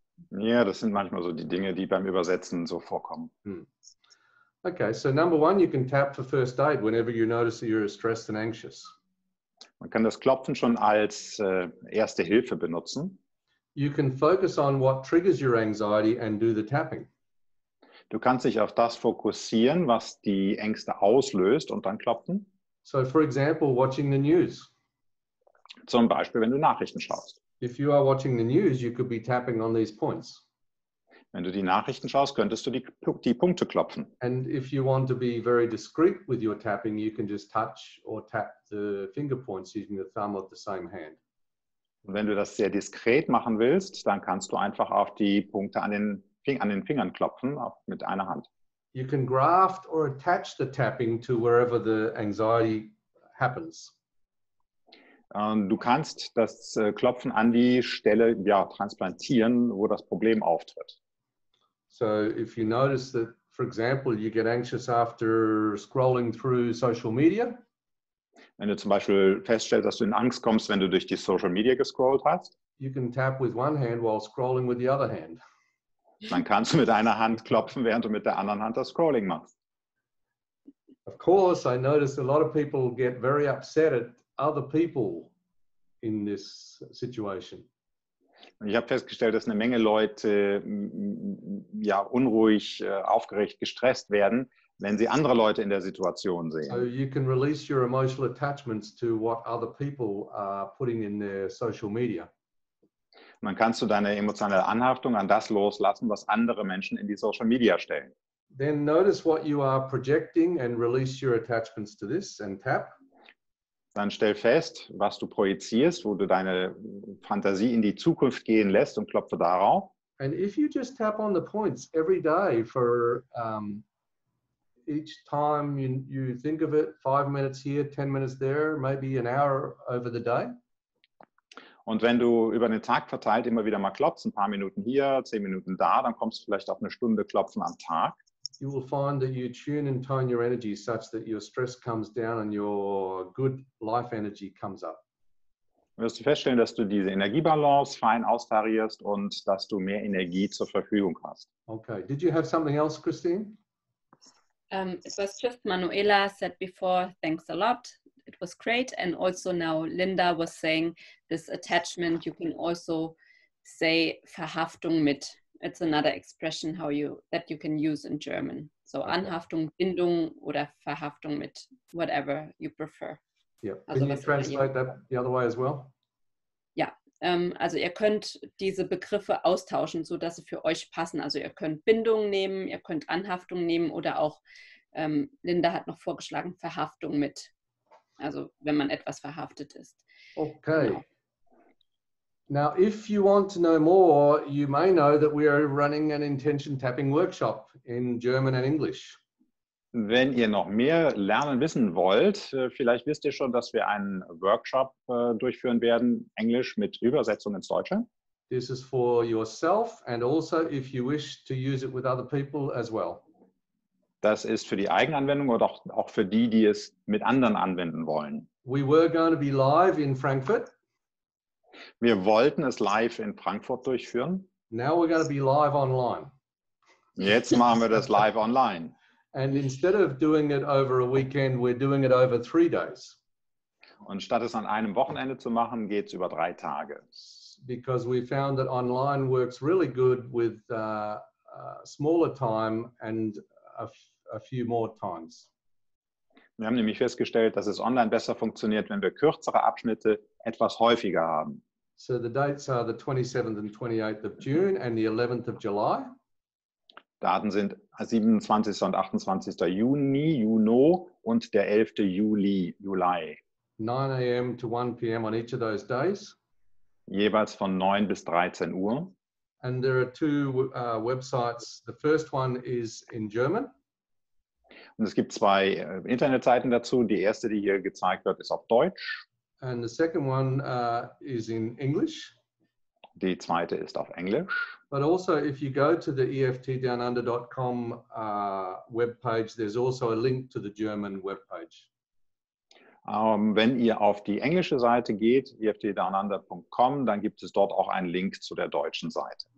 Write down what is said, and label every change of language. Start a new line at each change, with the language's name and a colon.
German: Yeah, das sind manchmal so die Dinge, die beim Übersetzen so vorkommen. Hmm.
English: Okay, so number one, you can tap for first aid whenever you notice that you're stressed and anxious.
German: Man kann das Klopfen schon als erste Hilfe benutzen.
English: You can focus on what triggers your anxiety and do the tapping.
German: Du kannst dich auf das fokussieren, was die Ängste auslöst und dann klopfen.
English: So for example, watching the news.
German: Zum Beispiel, wenn du Nachrichten schaust.
English: If you are watching the news, you could be tapping on these points.
German: Wenn du die Nachrichten schaust, könntest du die Punkte klopfen.
English: And if you want to be very discreet with your tapping, you can just touch or tap the finger points using the thumb of the same hand.
German: Und wenn du das sehr diskret machen willst, dann kannst du einfach auf die Punkte an den Fingern klopfen, auch mit einer Hand.
English: You can graft or attach the tapping to wherever the anxiety happens.
German: Du kannst das Klopfen an die Stelle transplantieren, wo das Problem auftritt.
English: So if you notice that, for example, you get anxious after scrolling through social media.
German: Wenn du zum Beispiel feststellst, dass du in Angst kommst, wenn du durch die Social Media gescrollt hast.
English: You can tap with one hand while scrolling with the other hand.
German: Dann kannst du mit einer Hand klopfen, während du mit der anderen Hand das Scrolling machst.
English: Of course, I notice a lot of people get very upset at other people in this situation.
German: Und ich habe festgestellt, dass eine Menge Leute unruhig, aufgeregt, gestresst werden, wenn sie andere Leute in der Situation sehen.
English: So you can release your emotional attachments to what other people are putting in their social media.
German: Und dann kannst du deine emotionale Anhaftung an das loslassen, was andere Menschen in die Social Media stellen.
English: Then notice what you are projecting and release your attachments to this and tap.
German: Dann stell fest, was du projizierst, wo du deine Fantasie in die Zukunft gehen lässt und klopfe darauf.
English: And if you just tap on the points every day for each time you think of it, 5 minutes here, 10 minutes there, maybe an hour over the day.
German: Und wenn du über den Tag verteilt immer wieder mal klopfst, ein paar Minuten hier, 10 Minuten da, dann kommst du vielleicht auf eine Stunde klopfen am Tag.
English: You will find that you tune and tone your energy such that your stress comes down and your good life energy comes up.
German: Wirst du feststellen, dass du diese Energiebalance fein austarierst und dass du mehr Energie zur Verfügung hast.
English: Okay, did you have something else, Christine? It was just Manuela said before, thanks a lot. It was great. And also now Linda was saying this attachment, you can also say Verhaftung mit. It's another expression that you can use in German. So okay.
German: Anhaftung, Bindung oder Verhaftung mit,
English: whatever you prefer. Yeah. Also, can you translate that the other way as well?
German: Ja, also ihr könnt diese Begriffe austauschen, sodass sie für euch passen. Also ihr könnt Bindung nehmen, ihr könnt Anhaftung nehmen oder auch, Linda hat noch vorgeschlagen, Verhaftung mit. Also wenn man etwas verhaftet ist. Okay. Genau.
English: Now, if you want to know more, you may know that we are running an intention tapping workshop in German and English.
German: Wenn ihr noch mehr lernen wissen wollt, vielleicht wisst ihr schon, dass wir einen Workshop durchführen werden, Englisch mit Übersetzung ins Deutsche.
English: This is for yourself and also if you wish to use it with other people as well.
German: Das ist für die Eigenanwendung oder auch für die, die es mit anderen anwenden wollen.
English: We were going to be live in Frankfurt.
German: Wir wollten es live in Frankfurt durchführen.
English: Now we're going to be live online.
German: Jetzt machen wir das live online.
English: And instead of doing it over a weekend, we're doing it over 3 days.
German: Und statt es an einem Wochenende zu machen, geht's über 3 Tage.
English: Because we found that online works really good with smaller time and a few more times.
German: Wir haben nämlich festgestellt, dass es online besser funktioniert, wenn wir kürzere Abschnitte etwas häufiger haben.
English: So the dates are the 27th and 28th of June and the 11th of July.
German: Daten sind 27. und 28. Juni, Juno und der 11. Juli, Juli.
English: 9 a.m. to 1 p.m. on each of those days.
German: Jeweils von 9 bis 13 Uhr.
English: And there are two websites. The first one is in German.
German: Und es gibt zwei Internetseiten dazu. Die erste, die hier gezeigt wird, ist auf Deutsch.
English: And the second one is in English.
German: Die zweite ist auf Englisch.
English: But also, if you go to the eftdownunder.com webpage, there's also a link to the German webpage.
German: Wenn ihr auf die englische Seite geht, eftdownunder.com, dann gibt es dort auch einen Link zu der deutschen Seite.